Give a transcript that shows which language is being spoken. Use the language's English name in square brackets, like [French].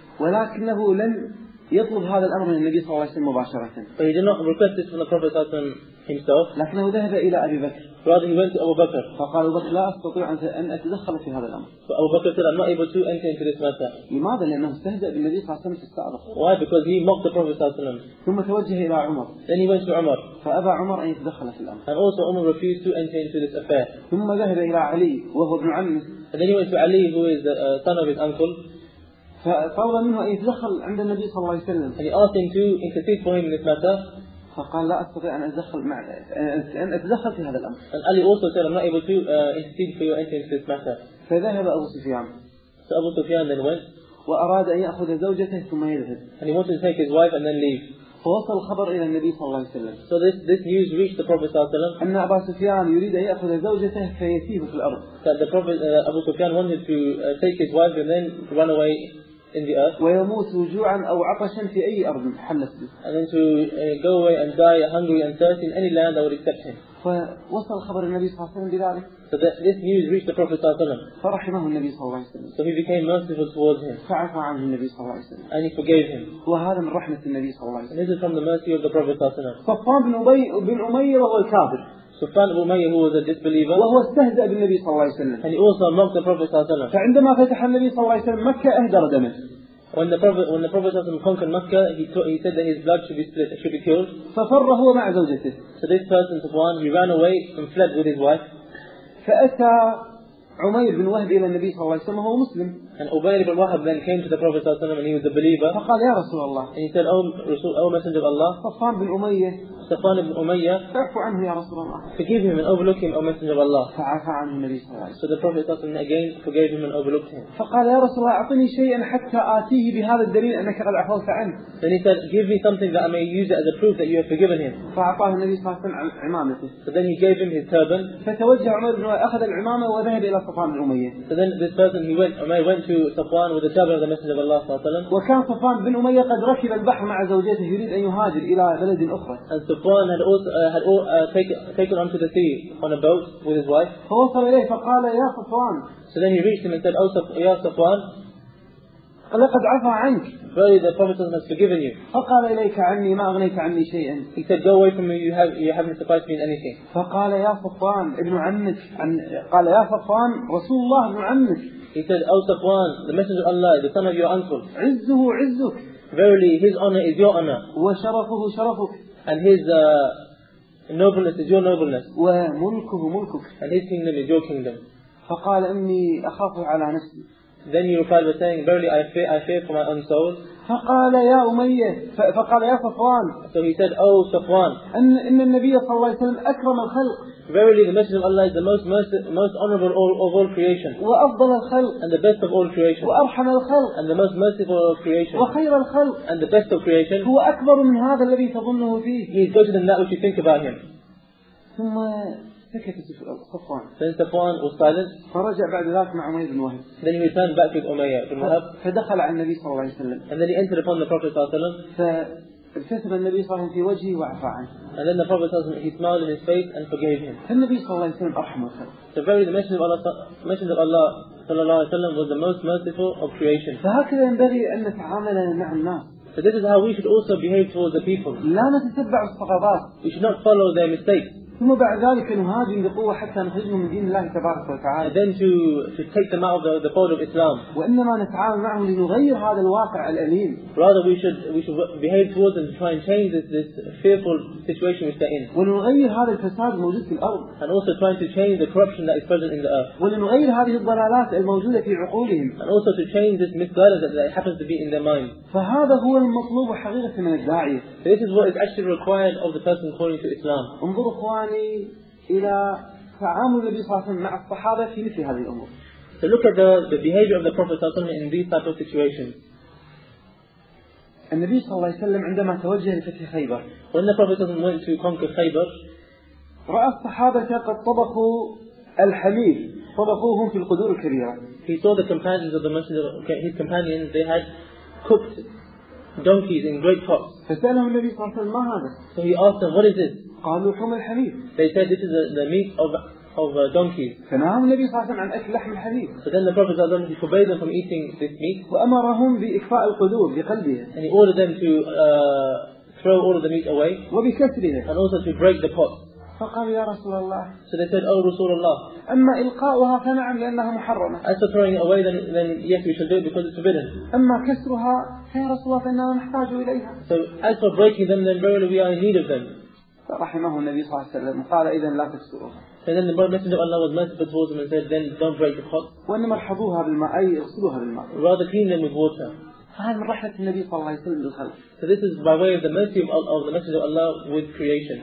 [Arabic] ولكنه لم يطلب هذا الأمر من النبي صلى الله عليه وسلم مباشرة. [English] But he did not request this from the Prophet [Arabic] صلى الله عليه وسلم [English] himself. [Arabic] لكنه ذهب إلى أبي بكر. [English] Rather he went to Abu Bakr. [Arabic] فقال أبو بكر لا أستطيع أن أتدخل في هذا الأمر. [English] So Abu Bakr said I'm not able to enter into this matter. [Arabic] لماذا؟ لأنه استهزأ بالنبي صلى الله عليه وسلم استعرض. [English] Why? Because he mocked the Prophet [Arabic] صلى الله عليه وسلم. ثم توجه إلى عمر. [English] Then he went to Umar. [Arabic] فأبى عمر أن يتدخل في الأمر. [English] And also Umar refused to enter into this affair. [Arabic] ثم ذهب إلى علي وهو ابن عمه. [English] And then he went to Ali who is the son of his uncle. [Arabic] فطلب منه أن يتدخل عند النبي صلى الله عليه وسلم. [English] And he asked him to intercede for him in this matter. [Arabic] فقال لا أستطيع أن أتدخل مع أن أتدخل في هذا الأمر. [English] And Ali also said I'm not able to intercede for you entering this matter. [Arabic] فذهب أبو سفيان. [English] So Abu Sufyan then went. [Arabic] وأراد أن يأخذ زوجته ثم يذهب. [English] And he wanted to take his wife and then leave. [Arabic] فوصل الخبر إلى النبي صلى الله عليه وسلم. [English] So this news reached the Prophet [Arabic] صلى الله عليه وسلم. أن أبا سفيان يريد أن يأخذ زوجته فيسيب في الأرض. [English] That the Prophet Abu Sufyan wanted to take his wife and then run away in the earth. [Arabic] ويموت جوعا أو عطشا في أي أرض حلت به. [English] And then to go away and die hungry and thirsty in any land that would accept him. [Arabic] فوصل خبر النبي صلى الله عليه وسلم بذلك. [English] So that this news reached the Prophet [Arabic] صلى الله عليه وسلم. فرحمه النبي صلى الله عليه وسلم. [English] So he became merciful towards him. [Arabic] فعفى عنه النبي صلى الله عليه وسلم. [English] And he forgave him. [Arabic] وهذا من رحمة النبي صلى الله عليه وسلم. [English] And this is from the mercy of the Prophet [Arabic] صلى الله عليه وسلم. صفان بن أبي بن أمية وهو الكافر. [English] صفان بن أمية who was a disbeliever. [Arabic] وهو استهزأ بالنبي صلى الله عليه وسلم. [English] And he also mocked the Prophet [Arabic] صلى الله عليه وسلم. فعندما فتح النبي صلى الله عليه وسلم مكة أهدر دمه. [English] When the Prophet [Arabic] صلى الله عليه وسلم [English] conquered Mecca, he said that his blood should be killed. [Arabic] ففر هو مع زوجته. [English] So this person, Safwan, he ran away and fled with his wife. [Arabic] فأتى عمير بن وهب إلى النبي صلى الله عليه وسلم وهو مسلم. [English] And Ubayr ibn Wahab then came to the Prophet [Arabic] صلى الله عليه وسلم [English] and he was a believer. [Arabic] فقال يا رسول الله. [English] And he said, O Messenger of Allah. [Arabic] صفان بن أمية. صفان بن أمية. اعف عنه يا رسول الله. [English] Forgive him and overlook him, O Messenger of Allah. [Arabic] فعفى عنه النبي صلى الله عليه وسلم. [English] So the Prophet [Arabic] صلى الله عليه وسلم [English] again forgave him and overlooked him. [Arabic] فقال يا رسول الله أعطني شيئا حتى آتيه بهذا الدليل أنك قد عفوت عنه. [English] Then he said, give me something that I may use it as a proof that you have forgiven him. [Arabic] فأعطاه النبي صلى الله عليه وسلم عمامته. [English] So then he gave him his turban. [Arabic] فتوجه عمير بن وهب أخذ العمامة وذهب إلى صفان بن أمية. [English] So then this person he went, Umayr went to Safwan with the turban of the Messenger of Allah [Arabic] صلى الله عليه وسلم. وكان صفان بن أمية قد ركب البحر مع زوجته يريد أن يهاجر إلى بلد أخرى. [English] And Safwan had also taken onto the sea on a boat with his wife. [Arabic] فوصل إليه فقال يا صفوان. [English] So then he reached him and said, [Arabic] يا صفوان. لقد عفا عنك. [English] Verily the Prophet has forgiven you. [Arabic] فقال إليك عني ما أغنيت عني شيئا. [English] He said, go away from me, you haven't sufficed me in anything. [Arabic] فقال يا صفوان ابن عمك. قال يا صفوان رسول الله ابن عمك. [English] He said, O Safwan, the Messenger of Allah, the son of your uncle. [Arabic] عزه عزك. [English] Verily, his honor is your honor. [Arabic] وشرفه شرفك. [English] And his nobleness is your nobleness. [Arabic] وملكه ملكك. [English] And his kingdom is your kingdom. [Arabic] فقال إني أخاف على نفسي. [English] Then you replied by saying, verily, I fear for my own soul. [Arabic] فقال يا أمية. فقال يا صفوان. [English] So he said, O Safwan. [Arabic] أن النبي صلى الله عليه وسلم أكرم الخلق. [English] Verily, the Messenger of Allah is the most honorable of all creation. [Arabic] وأفضل الخلق. [English] And the best of all creation. [Arabic] وأرحم الخلق. [English] And the most merciful of creation. [Arabic] وخير الخلق. [English] And the best of creation. [Arabic] هو أكبر من هذا الذي تظنه فيه. [English] He is greater than that which you think about him. [Arabic] ثم سكت صفوان. [English] Then Safwan was silent. [Arabic] فرجع بعد ذلك مع أمية بن وهب. [English] Then he returned back with أمية بن وهب. [Arabic] فدخل على النبي صلى الله عليه وسلم. [English] And then he entered upon the Prophet [Arabic] صلى الله عليه وسلم. فابتسم النبي صلى الله عليه وسلم في وجهه وعفى عنه. [English] And then the Prophet [Arabic] صلى الله عليه وسلم, [English] he smiled in his face and forgave him. [Arabic] فالنبي صلى الله عليه وسلم أرحم الخلق. [English] So verily the Messenger of Allah [Arabic] صلى الله عليه وسلم [English] was the most merciful of creation. [Arabic] فهكذا ينبغي أن نتعامل مع الناس. [English] So this is how we should also behave towards the people. [Arabic] لا نتتبع الصغابات. [English] We should not follow their mistakes. [Arabic] ثم بعد ذلك نهاجم بقوة حتى نخرجهم من دين الله تبارك وتعالى. [English] And then to take them out of the fold of Islam. [Arabic] وإنما نتعامل معهم لنغير هذا الواقع الأليم. [English] Rather we should behave towards them to try and change this fearful situation which they're in. [Arabic] ولنغير هذا الفساد الموجود في الأرض. [English] And also try to change the corruption that is present in the earth. [Arabic] ولنغير هذه الضلالات الموجودة في عقولهم. [English] And also to change this misguidance that happens to be in their mind. [Arabic] فهذا هو المطلوب حقيقة من الداعية. [English] So this is what is actually required of the person calling to Islam. [Arabic] انظروا إخواني إلى تعامل النبي صلى الله عليه وسلم مع الصحابة في مثل هذه الأمور. [English] So look at the behavior of the Prophet [Arabic] صلى الله عليه وسلم [English] in these type of situations. [Arabic] النبي صلى الله عليه وسلم عندما توجه لفتح خيبر. [English] When the Prophet [Arabic] صلى الله عليه وسلم [English] went to conquer خيبر. [Arabic] رأى الصحابة قد طبخوا الحليب. طبخوهم في القدور الكبيرة. [English] He saw the companions of the Messenger, his companions, they had cooked donkeys in great pots. [Arabic] فسألهم النبي صلى الله عليه وسلم ما هذا؟ [English] So he asked them, what is this? [Arabic] قالوا لحم الحليب. [English] They said this is the meat of a donkey. [Arabic] فنهاهم النبي صلى الله عليه وسلم عن أكل لحم الحليب. [English] So then the Prophet [Arabic] صلى الله عليه وسلم [English] forbade them from eating this meat. [Arabic] وأمرهم بإكفاء القدور بقلبه. [English] And he ordered them to throw all of the meat away. [Arabic] وبكسره. [English] And also to break the pot. [Arabic] فقال يا رسول الله. [English] So they said, oh [Arabic] رسول الله. أما إلقاؤها فنعم لأنها محرمة. [English] As for throwing it away, then yes, we should do it because it's forbidden. [Arabic] أما كسرها فيا رسول الله فإننا نحتاج إليها. [English] So as for breaking them, then verily we are in need of them. [Arabic] فرحمه النبي صلى الله عليه وسلم قال إذن لا تكسروها. [English] So then the Messenger of Allah was merciful towards them and said, then don't break the pot. [Arabic] وإنما احفظوها بالماء أي اغسلوها بالماء. [English] Rather clean them with water. [Arabic] هذا من رحمة النبي صلى الله عليه وسلم للخلق. [English] So this is by way of the mercy of the Messenger of Allah with creation.